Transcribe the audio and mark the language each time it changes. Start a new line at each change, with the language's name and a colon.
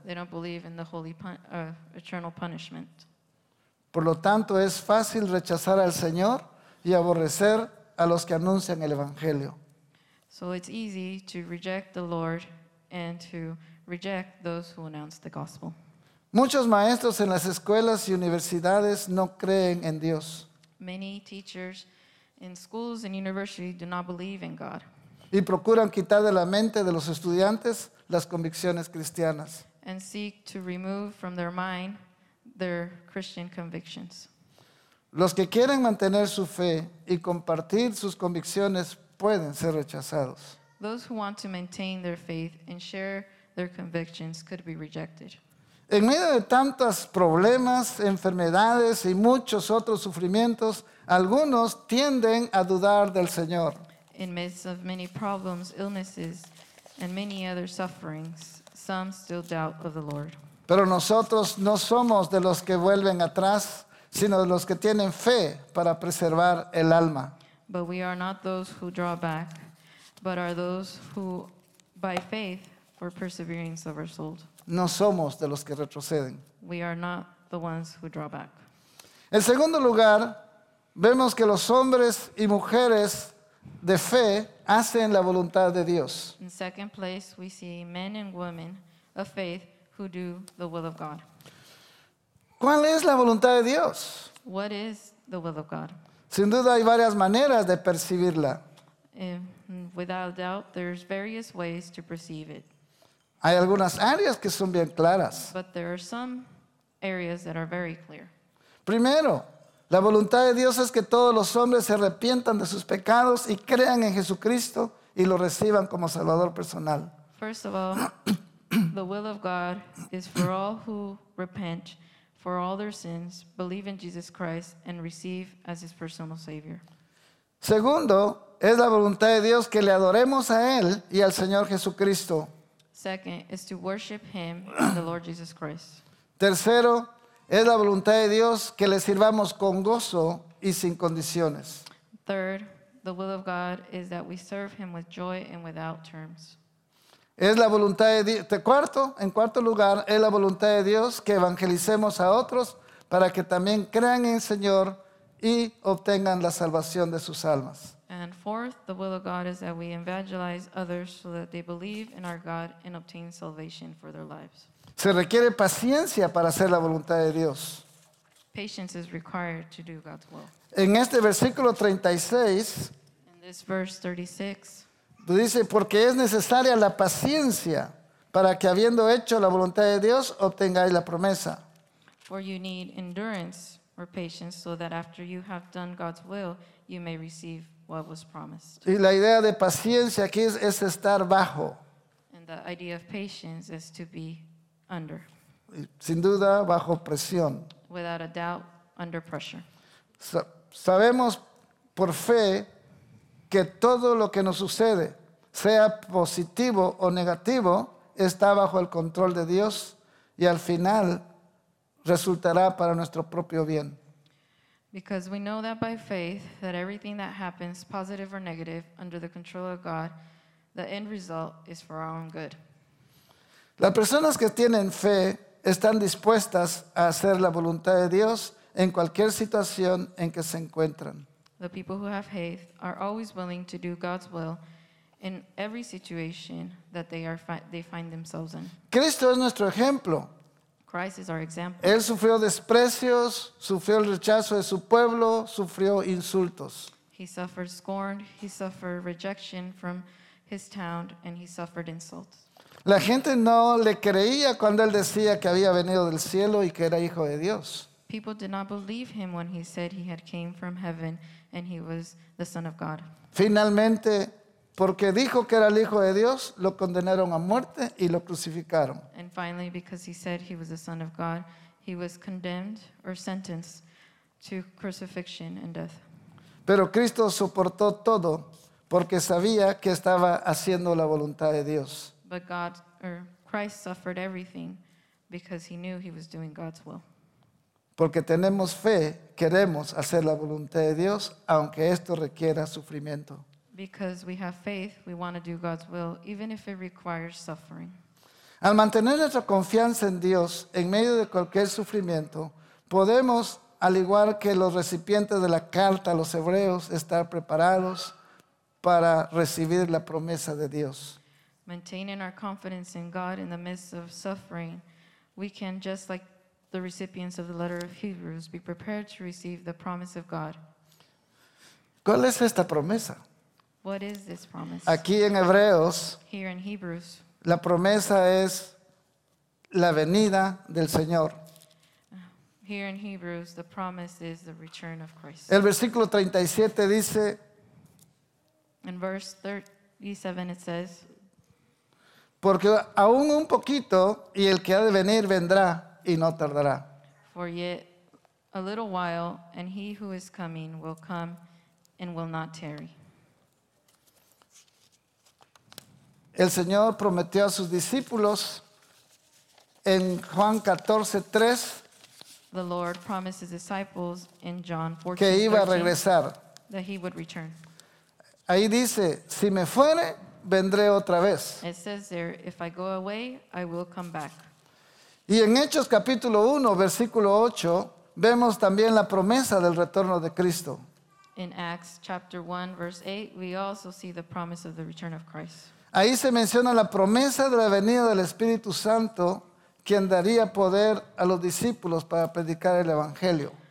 English: They don't believe in the holy eternal punishment.
Spanish: Por lo tanto, es fácil rechazar al Señor y aborrecer a los que anuncian el Evangelio.
English: So it's easy to reject the Lord and to reject those who announce the gospel.
Spanish: Muchos maestros en las escuelas y universidades no creen en Dios.
English: Many teachers in schools and universities do not believe in God.
Spanish: Y procuran quitar de la mente de los estudiantes las convicciones cristianas.
English: And seek to remove from their mind their Christian convictions.
Spanish: Los que quieren mantener su fe y compartir sus convicciones pueden ser rechazados.
English: Those who want to maintain their faith and share their convictions could be rejected.
Spanish: En medio de tantos problemas, enfermedades y muchos otros sufrimientos, algunos tienden a dudar del Señor.
English: In midst of many problems, illnesses, and many other sufferings, some still doubt of the Lord.
Spanish: Pero nosotros no somos de los que vuelven atrás, sino de los que tienen fe para preservar el alma.
English: But we are not those who draw back, but are those who, by faith, for perseverance of our soul.
Spanish: No somos de los que retroceden.
English: We are not the ones who draw back.
Spanish: En segundo lugar, vemos que los hombres y mujeres de fe hacen la voluntad de Dios.
English: In second place, we see men and women of faith who do the will of God.
Spanish: ¿Cuál es la voluntad de Dios?
English: What is the will of God?
Spanish: Sin duda hay varias maneras de percibirla.
English: Without doubt, there's various ways to perceive it.
Spanish: Hay algunas áreas que son bien claras.
English: But there are some areas that are very clear.
Spanish: Primero, la voluntad de Dios es que todos los hombres se arrepientan de sus pecados y crean en Jesucristo y lo reciban como Salvador personal.
English: First of all, the will of God is for all who repent for all their sins, believe in Jesus Christ, and receive as his personal Savior.
Spanish: Segundo, es la voluntad de Dios que le adoremos a él y al Señor Jesucristo.
English: Second, is to worship him and the Lord Jesus Christ.
Spanish: Tercero, es la voluntad de Dios que le sirvamos con gozo y sin condiciones.
English: Third, the will of God is that we serve him with joy and without terms.
Spanish: Es la voluntad de Dios. En cuarto lugar, es la voluntad de Dios que evangelicemos a otros para que también crean en el Señor y obtengan la salvación de sus almas.
English: And And fourth, the will of God is that we evangelize others so that they believe in our God and obtain salvation for their lives.
Spanish: Se requiere paciencia para hacer la voluntad de Dios.
English: Patience is required to do God's will.
Spanish: En este versículo 36,
English: in this verse 36,
Spanish: dice, porque es necesaria la paciencia para que habiendo hecho la voluntad de Dios, obtengáis la promesa.
English: For you need endurance or patience so that after you have done God's will, you may receive what was promised.
Spanish: Y la idea de paciencia aquí es estar bajo.
English: And the idea of patience is to be under.
Spanish: Sin duda, bajo presión.
English: Without a doubt, under pressure.
Spanish: Sabemos por fe que todo lo que nos sucede, sea positivo o negativo, está bajo el control de Dios y al final resultará para nuestro propio bien.
English: Because we know that by faith, that everything that happens, positive or negative, under the control of God, the end result is for our own good.
Spanish: Las personas que tienen fe están dispuestas a hacer la voluntad de Dios en cualquier situación en que se encuentran.
English: The people who have faith are always willing to do God's will in every situation that they find themselves in.
Spanish: Cristo es nuestro ejemplo.
English: Christ is our example.
Spanish: Él sufrió desprecios, sufrió el rechazo de su pueblo, sufrió insultos.
English: He suffered scorn, he suffered rejection from his town, and he suffered insults.
Spanish: La gente no le creía cuando él decía que había venido del cielo y que era hijo de Dios.
English: People did not believe him when he said he had came from heaven and he was the son of God.
Spanish: Finalmente, porque dijo que era el hijo de Dios, lo condenaron a muerte y lo crucificaron.
English: And finally, because he said he was the son of God, he was condemned or sentenced to crucifixion and death.
Spanish: Pero Cristo soportó todo porque sabía que estaba haciendo la voluntad de Dios.
English: But God, or Christ, suffered everything because he knew he was doing God's will.
Spanish: Porque tenemos fe, queremos hacer la voluntad de Dios, aunque esto requiera sufrimiento.
English: Because we have faith, we want to do God's will, even if it requires suffering.
Spanish: Al mantener nuestra confianza en Dios en medio de cualquier sufrimiento, podemos, al igual que los recipientes de la carta a los hebreos, estar preparados para recibir la promesa de Dios.
English: Maintaining our confidence in God in the midst of suffering, we can, just like the recipients of the letter of Hebrews, be prepared to receive the promise of God.
Spanish: ¿Cuál es esta promesa?
English: What is this promise?
Spanish: Aquí en Hebreos,
English: here in Hebrews,
Spanish: la promesa es la venida del Señor.
English: Here in Hebrews, the promise is the return of Christ.
Spanish: El versículo 37 dice,
English: in verse 37 it says,
Spanish: porque aún un poquito y el que ha de venir vendrá y no tardará.
English: For yet a little while and he who is coming will come and will not tarry.
Spanish: El Señor prometió a sus discípulos en Juan 14:3.
English: The Lord promised his disciples in John 14:3
Spanish: que iba a regresar.
English: That he would return.
Spanish: Ahí dice, si me fuere, vendré otra vez.
English: It says there, if I go away, I will come back.
Spanish: Y en Hechos capítulo 1, versículo 8, vemos también la promesa del retorno de Cristo.
English: In Acts chapter 1, verse 8, we also see the promise of the return of Christ.
Spanish: Ahí se menciona la promesa de la venida del Espíritu Santo, quien daría poder a los discípulos para predicar el Evangelio.